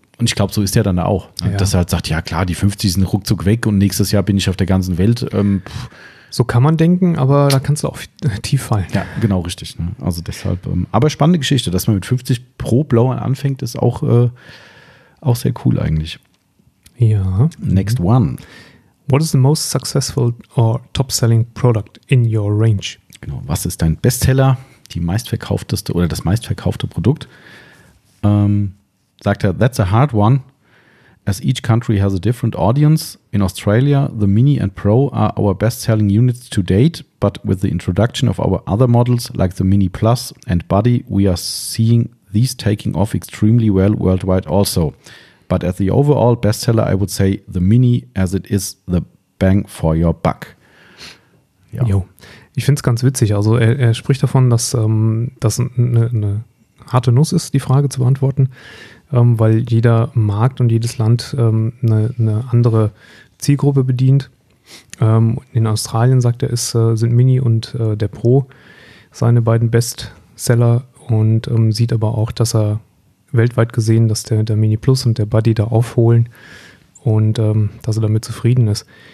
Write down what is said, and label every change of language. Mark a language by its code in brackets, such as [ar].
[de] Und ich glaube, so ist er dann auch. Ja. Dass er halt sagt, ja klar, die 50 sind ruckzuck weg und nächstes Jahr bin ich auf der ganzen Welt. So kann man denken, aber da kannst du auch tief fallen. Ja, genau, richtig. Ne? Also deshalb, aber spannende Geschichte, dass man mit 50 pro Blau anfängt, ist auch, auch sehr cool eigentlich. Ja. [en] Next one. What is the most successful or top-selling product in your range? [de] Genau, was ist dein Bestseller, die meistverkaufteste oder das meistverkaufte Produkt? Sagt er, [en] that's a hard one, as each country has a different audience. In Australia, the Mini and Pro are our best-selling units to date, but with the introduction of our other models, like the Mini Plus and Buddy, we are seeing these taking off extremely well worldwide also. But as the overall bestseller, I would say the Mini, as it is the bang for your buck. [de] Ja. Jo, ich finde es ganz witzig. Also er spricht davon, dass das eine harte Nuss ist, die Frage zu beantworten, weil jeder Markt und jedes Land eine andere Zielgruppe bedient. In Australien, sagt er, sind Mini und der Pro seine beiden Bestseller und sieht aber auch, dass er weltweit gesehen, dass der Mini Plus und der Buddy da aufholen und dass er damit zufrieden ist.